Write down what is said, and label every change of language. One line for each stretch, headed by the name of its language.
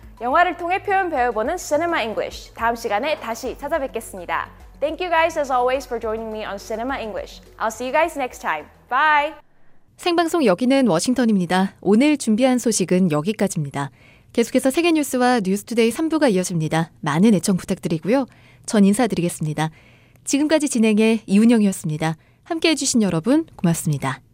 Korean: 영화를 통해 표현 배워보는 Cinema English. 다음 시간에 다시 찾아뵙겠습니다.
English: Thank you guys as always for joining me on Cinema English. I'll see you guys next time. Bye!
Korean: 생방송 여기는 워싱턴입니다. 오늘 준비한 소식은 여기까지입니다. 계속해서 세계 뉴스와 뉴스투데이 3부가 이어집니다. 많은 애청 부탁드리고요. 전 인사드리겠습니다. 지금까지 진행해 이운영이었습니다. 함께해 주신 여러분 고맙습니다.